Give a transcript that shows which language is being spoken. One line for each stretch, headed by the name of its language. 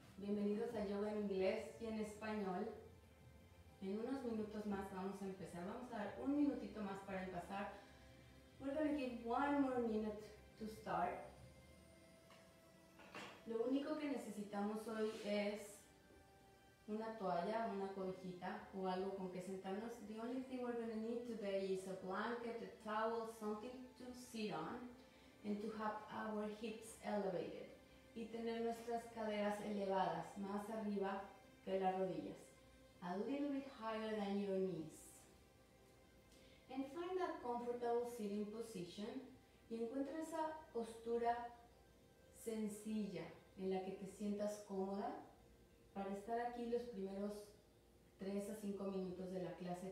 Spanish: Bienvenidos a Yoga en inglés y en español. En unos minutos más vamos a empezar. Vamos a dar un minutito más para empezar.
English: We're going to give one more minute to start.
Spanish: Lo único que necesitamos hoy es una toalla, una cobijita o algo con que sentarnos.
English: The only thing we're going to need today is a blanket, a towel, something to sit on. And to have our hips elevated.
Spanish: Y tener nuestras caderas elevadas más arriba que las rodillas.
English: A little bit higher than your knees. And find that comfortable sitting position.
Spanish: Y encuentra esa postura sencilla en la que te sientas cómoda para estar aquí los primeros 3 a 5 minutos de la clase.